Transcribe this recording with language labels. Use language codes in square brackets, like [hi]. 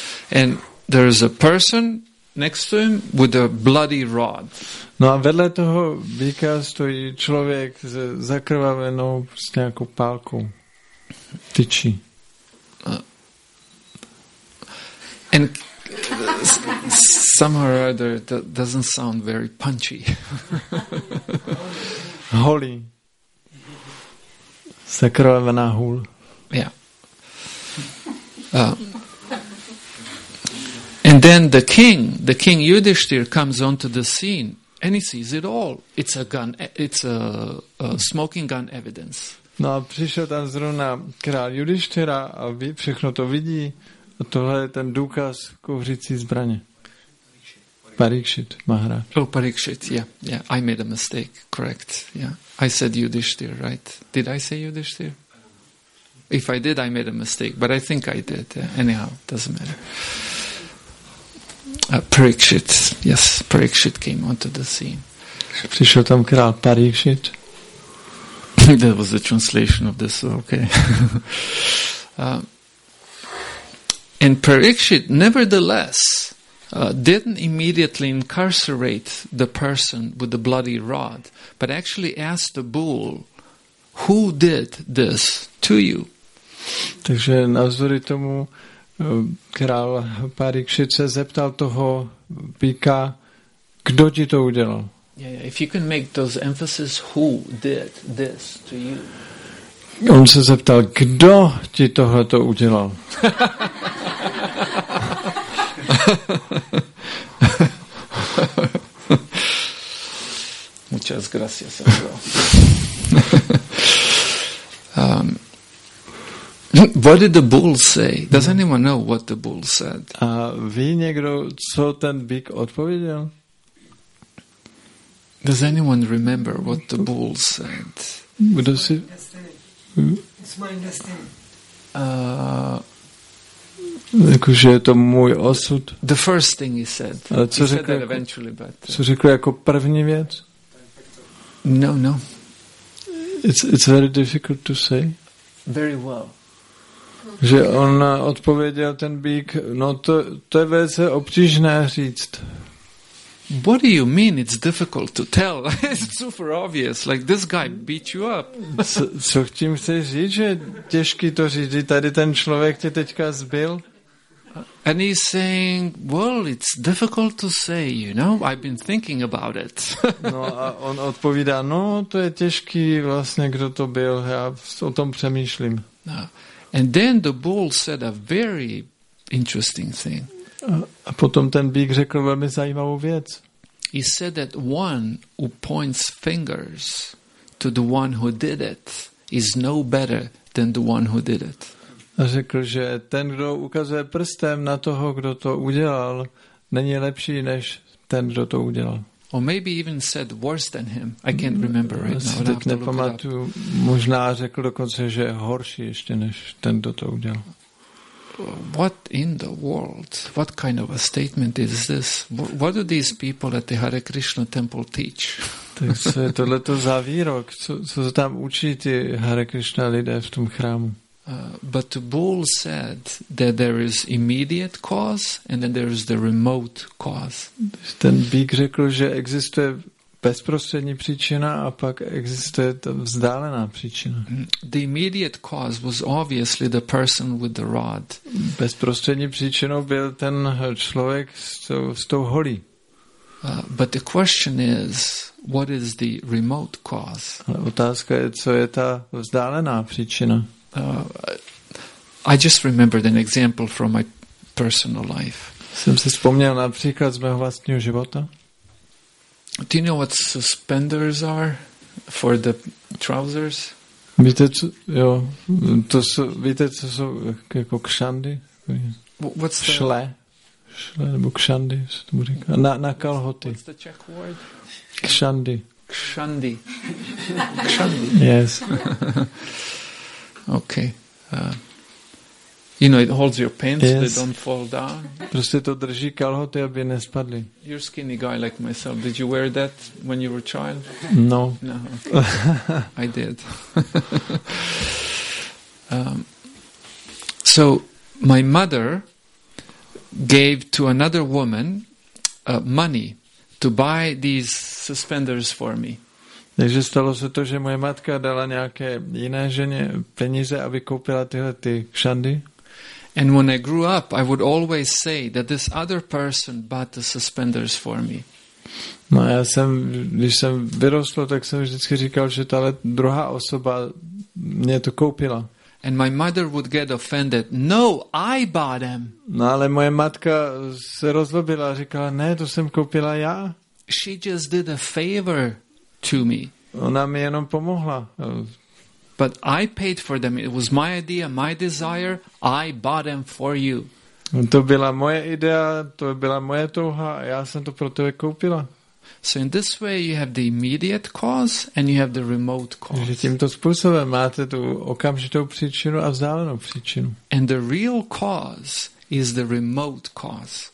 [en] And there is a person next to him with a bloody rod. [cs] No a vedle toho býka stojí člověk s zakrvavenou s nějakou pálkou. Tyčí. [en] And somehow or other, that doesn't sound very punchy. Holy. [cs] Zakrvavená hůl. [en] Yeah. And then the king Yudhishthir comes onto the scene and he sees it all. It's a gun. It's a smoking gun evidence. [cs] No a přišel tam zrovna král Judištěra a všechno to vidí a tohle je ten důkaz kouřící zbraně. [en] Parikshit, Maharaj. Oh, Parikshit, yeah, yeah. I made a mistake, correct, yeah. I said Yudhishthir, right? Did I say Yudhishthir? If I did, I made a mistake, but I think I did. Yeah. Anyhow, doesn't matter. Parikshit, yes, Parikshit came onto the scene. [cs] Přišel tam král Parikshit. [en] That was the translation of this, okay. And Parikshit, nevertheless, didn't immediately incarcerate the person with the bloody rod, but actually asked the bull, who did this to you? [cs] Takže navzdory tomu král Parikshit se zeptal toho býka, kdo ti to udělal? [en] Yeah, yeah. If you can make those emphasis, who did this to you? [cs] On se zeptal, kdo ti tohle to udělal? [es] Muchas gracias, amigo. [en] What did the bull say? Does anyone know what the bull said? [cs] Ví někdo, co ten bík odpověděl? [en] Does anyone remember what the bull said? What does it? It's my destiny. [cs] Jakože je to můj osud. [en] The first thing he said. He said that eventually, but. [cs] Co řekl jako první věc? [en] No, no. It's very difficult to say. Very well. [cs] Že on odpověděl ten bík, no to je velice obtížné říct. [en] What do you mean it's difficult to tell? It's super obvious, like this guy beat you up. [cs] Co tím chceš říct, že těžký to říct, tady ten člověk tě teďka zbil? [en] And he's saying, well, it's difficult to say, you know, I've been thinking about it. [cs] No a on odpovídá, no to je těžký vlastně, kdo to byl, já o tom přemýšlím. [en] No. And then the bull said a very interesting thing. [cs] A potom ten bík řekl velmi zajímavou věc. [en] He said that one who points fingers to the one who did it is no better than the one who did it. [cs] A řekl, že ten, kdo ukazuje prstem na toho, kdo to udělal, není lepší než ten, kdo to udělal. [en] Or maybe even said worse than him. I can't remember right now. [cs] Teď nepamatuju. Možná řekl dokonce, že je horší ještě než ten, kdo to udělal. [en] What in the world? What kind of a statement is this? What do these people at the Hare Krishna temple teach? [cs] Tak co je tohleto za výrok? Co se tam učí ty Hare Krishna lidé v tom chrámu? [en] But the bull said that there is immediate cause and then there is the remote cause. [cs] Ten bík řekl, že existuje bezprostřední příčina a pak existuje ta vzdálená příčina. [en] The immediate cause was obviously the person with the rod. [cs] Bezprostřední příčinou byl ten člověk s tou holí. [en] But the question is, what is the remote cause? [cs] Ale otázka je, co je ta vzdálená příčina? [en] I just remembered an example from my personal life. [cs] Jsem si vzpomněl například z mého vlastního života. [en] Do you know what suspenders are for the trousers? [cs] Víte, co jsou jako kšandy? [en] What's the šle? [cs] Šle nebo kšandy, se tomu říká. Na kalhoty. [en] What's the Czech word? [cs] Kšandy. Kšandy. [en] Kšandy. Yes. Okay. You know, it holds your pants, yes. They don't fall down. [cs] Prostě to drží kalhoty, aby nespadly. [en] You're a skinny guy like myself. Did you wear that when you were a child? No. No, okay. I did. So, my mother gave to another woman money to buy these suspenders for me. [cs] Takže stalo se to, že moje matka dala nějaké jiné ženě peníze, aby koupila tyhle ty kšandy. [en] And when I grew up, I would always say that this other person bought the suspenders for me. [cs] No, já jsem, když jsem vyrostl, tak jsem vždycky říkal, že ta druhá osoba mě to koupila. [en] And my mother would get offended. No, I bought them. [cs] No, ale moje matka se rozlobila a říkala, ne, to jsem koupila já. [en] She just did a favor to me. [cs] Ona mi jenom pomohla. [en] But I paid for them. It was my idea, my desire. I bought them for you. [cs] To byla moje idea, to byla moje touha, a já jsem to pro tebe koupila. [en] So in this way you have the immediate cause and you have the remote cause. [cs] Takže tímto způsobem máte tu okamžitou příčinu a vzdálenou příčinu. [en] And the real cause is the remote cause.